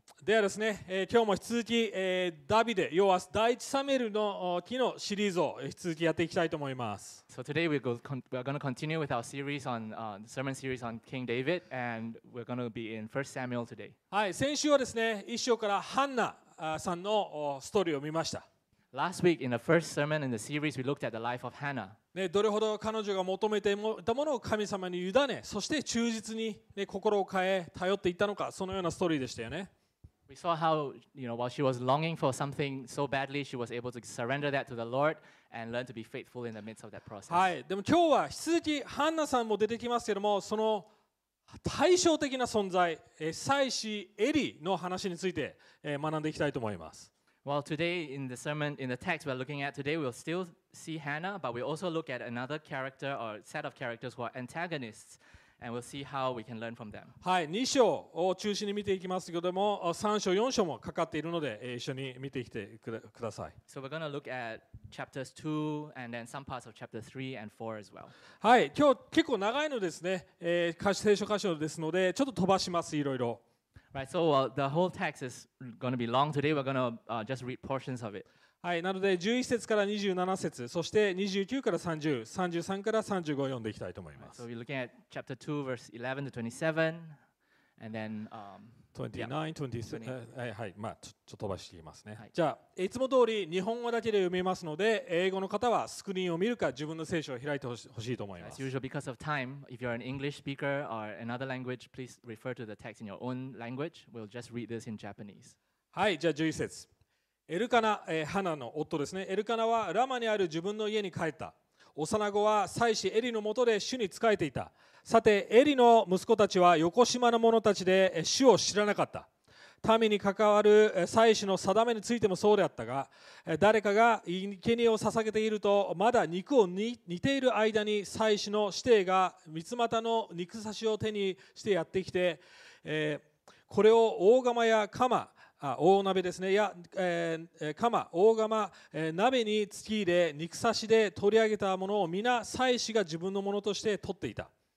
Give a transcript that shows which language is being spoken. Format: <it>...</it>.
<ja>ではですね、今日も引き続き、ダビデ、要は第一サメルの記のシリーズを引き続きやっていきたいと思います。</ja> <en>So today we're going to continue with our series on sermon series on King David, and we're going to be in 1 Samuel today.</en> <ja>はい、先週はですね、一章からハンナさんのストーリーを見ました。</ja> <en>Last week in the first sermon in the series, we looked at the life of Hannah.</en> <ja>ね、どれほど彼女が求めていたものを神様に委ね、そして忠実に、ね、心を変え、頼っていたのか、そのようなストーリーでしたよね。</ja> <en>We saw how, you know, while she was longing for something so badly, she was able to surrender that to the Lord and learn to be faithful in the midst of that process.</en> <ja>はい、でも今日は引き続きハンナさんも出てきますけども、その対照的な存在、祭司エリの話について学んでいきたいと思います。</ja> <en>Well, today in the sermon, in the text we're looking at today, we'll still see Hannah, but we also look at another character or set of characters who are antagonists. And we'll see how we can learn from them.</en> <ja>はい、2章を中心に見ていきますけども、3章、4章もかかっているので、一緒に見てきてください。</ja> <en>So we're going to look at chapters 2 and then some parts of chapter 3 and 4 as well.</en> <ja>はい、今日結構長いのですね、聖書箇所ですので、ちょっと飛ばします、いろいろ。</ja> <en>Right, so well, the whole text is going to be long today. We're going to just read portions of it.</en> <ja>はい、なので11節から27節、そして29から30、33から35を読んでいきたいと思います。</ja> <en>So we're looking at chapter 2, verse 11 to 27, and then...</en> <ja>29, 27... はい、まあ、ちょっと飛ばしていきますね。はい、じゃあ、いつも通り日本語だけで読みますので、英語の方はスクリーンを見るか、自分の聖書を開いてほしいと思います。</ja> <en>As usual, because of time, if you're an English speaker or another language, please refer to the text in your own language. We'll just read this in Japanese.</en> <ja>はい、じゃあ11節。エルカナ、ハナの夫ですね。エルカナはラマにある自分の家に帰った。幼子は祭司エリのもとで主に仕えていた。さてエリの息子たちは横島の者たちで主を知らなかった。民に関わる祭司の定めについてもそうであったが、誰かが生贄を捧げているとまだ肉を煮ている間に祭司の子弟が三つ股の肉刺しを手にしてやってきて、これを大釜や釜大鍋ですね、いや、釜大釜、鍋に突き入れ肉刺しで取り上げたものを皆祭司が自分のものとして取っていた。</ja>